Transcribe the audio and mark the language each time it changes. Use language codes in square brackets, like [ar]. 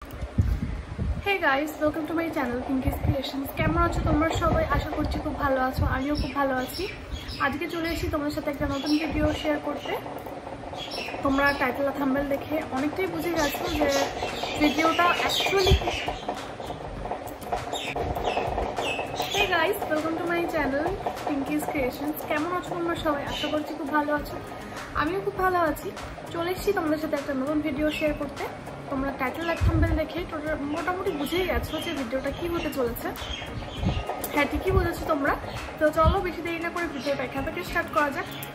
[en] Hey guys, welcome to my channel Pinky's Creations. [bn] কেমন আছো তোমরা সবাই? আশা করছি খুব ভালো আছো। আমিও খুব ভালো আছি। আজকে চলে এসেছি তোমাদের সাথে একটা নতুন ভিডিও শেয়ার করতে। তোমরা টাইটেল আর থাম্বনেল দেখে অনেকটাই বুঝে গেছো যে ভিডিওটা অ্যাকচুয়ালি কি। [en] Hey guys, welcome to my channel Pinky's Creations. [bn] কেমন আছো তোমরা সবাই? আশা করছি খুব ভালো আছো। আমিও খুব ভালো আছি। চলে এসেছি তোমাদের সাথে একটা নতুন ভিডিও শেয়ার করতে। তোমরা টাইটেল আর থাম্বনেল দেখে মোটামুটি বুঝেই গেছো যে ভিডিওটা কি হতে চলেছে। হ্যাঁ, ঠিকই বলেছো তোমরা। তো চলো বেশি দেরি না করে ভিডিওটা এখান থেকে স্টার্ট করা যাক।